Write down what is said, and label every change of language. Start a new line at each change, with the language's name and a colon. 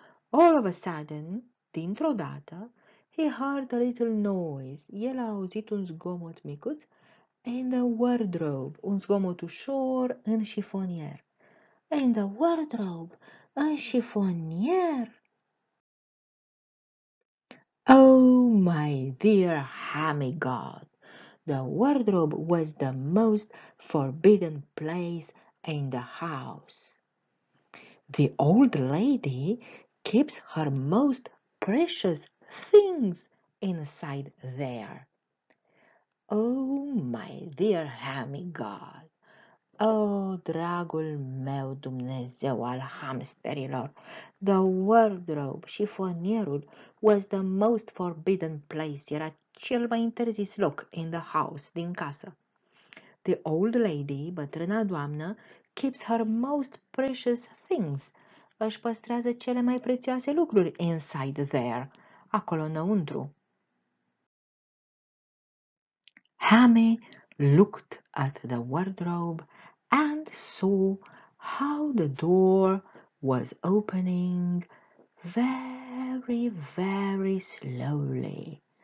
English: All of a sudden,
Romanian: dintr-o dată,
English: he heard a little noise.
Romanian: El a auzit un zgomot micuț
English: in the wardrobe,
Romanian: un zgomot ușor în șifonier.
English: In the wardrobe,
Romanian: în șifonier.
English: Oh, my dear Hammy God, the wardrobe was the most forbidden place in the house. The old lady keeps her most precious things inside there. Oh, my dear Hammy God,
Romanian: oh, dragul meu Dumnezeu al hamsterilor,
English: the wardrobe,
Romanian: șifonierul,
English: was the most forbidden place,
Romanian: era cel mai interzis loc
English: in the house,
Romanian: din casă.
English: The old lady,
Romanian: bătrâna doamnă,
English: keeps her most precious things,
Romanian: își păstrează cele mai prețioase lucruri
English: inside there.
Romanian: Acolo înăuntru.
English: Hammy looked at the wardrobe and saw how the door was opening very, very slowly.